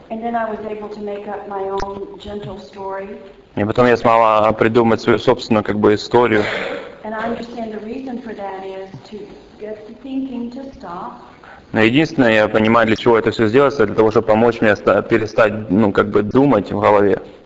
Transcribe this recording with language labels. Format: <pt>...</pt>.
<en>And then I was able to make up my own gentle story.</en> <ru>И потом я смогла придумать свою собственную как бы историю.</ru> <en>And I understand the reason for that is to get the thinking to stop.</en> <ru>Но единственное, я понимаю, для чего это все сделать, для того, чтобы помочь мне перестать, ну, как бы думать в голове.</ru>